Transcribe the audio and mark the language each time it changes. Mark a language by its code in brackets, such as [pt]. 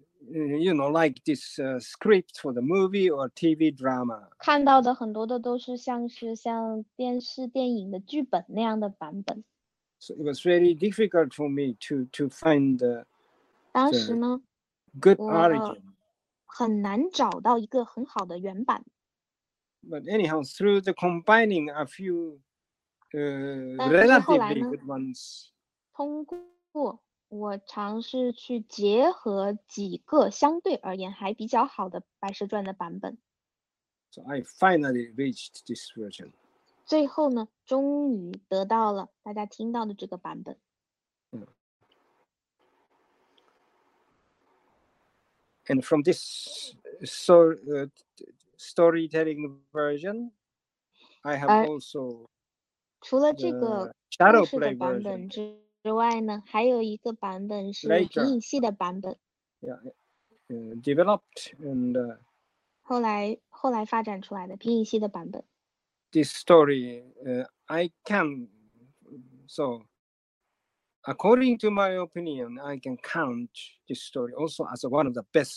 [en] you know, like this script for the movie or TV drama. [zh] 看到的很多的都是像电视电影的剧本那样的版本。 [en] So it was very difficult for me to find the [zh] 当时呢 [en] good origin. [zh] 很难找到一个很好的原版。 [en] But anyhow, through the combining a few relatively good ones. [zh] 通过我尝试去结合几个相对而言还比较好的《白蛇传》的版本 [en] ，So I finally reached this version. [zh] 最后呢，终于得到了大家听到的这个版本。 [en] And from this so storytelling version, I have also [zh] 除了这个故事的版本之外呢，还有一个版本是皮影戏的版本。 [en] Yeah, developed and [zh] 后来发展出来的皮影戏的版本。 [en] This story, I can so according to my opinion, I can count this story also as one of the best.